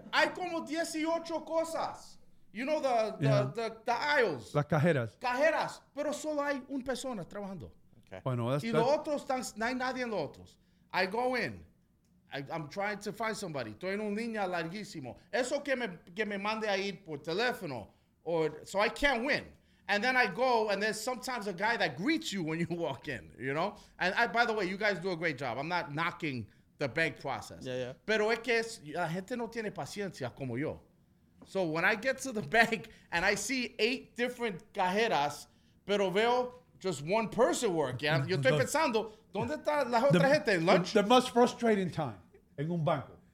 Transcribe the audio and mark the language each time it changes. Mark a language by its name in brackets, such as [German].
[Spanish] Hay como 18 cosas. [English] You know the aisles. [Spanish] Las cajeras. Cajeras, pero solo hay una persona trabajando. [English] Okay. [Spanish] Bueno, y los otros están, no hay nadie en los otros. [English] I go in. I'm trying to find somebody. [Spanish] Estoy en un línea larguísimo. Eso que me mande a ir por teléfono. [English] So I can't win. And then I go, and there's sometimes a guy that greets you when you walk in, you know? And I, by the way, you guys do a great job. I'm not knocking the bank process. Yeah, yeah. [Spanish] Pero es que es, la gente no tiene paciencia como yo. [English] So when I get to the bank and I see 8 different cajeras, [Spanish] pero veo [English] just one person working. [Spanish] Yo estoy pensando, ¿dónde está la otra gente? ¿Lunch? [English] The most frustrating time [Spanish] en un banco.